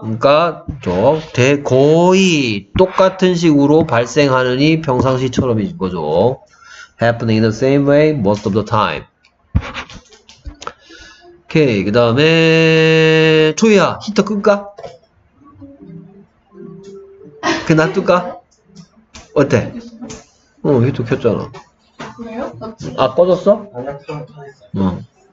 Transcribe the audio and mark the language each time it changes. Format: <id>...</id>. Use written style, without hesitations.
<ko>그러니까 저 거의 똑같은 식으로 발생하느니 평상시처럼인 거죠.</ko> <en>Happening in the same way most of the time.</en> <ko>오케이, 그 다음에 초이야, 히터 끌까? 그 놔둘까? 어때? 어, 히터 켰잖아. 그래요? 아, 꺼졌어? 아니요,</ko>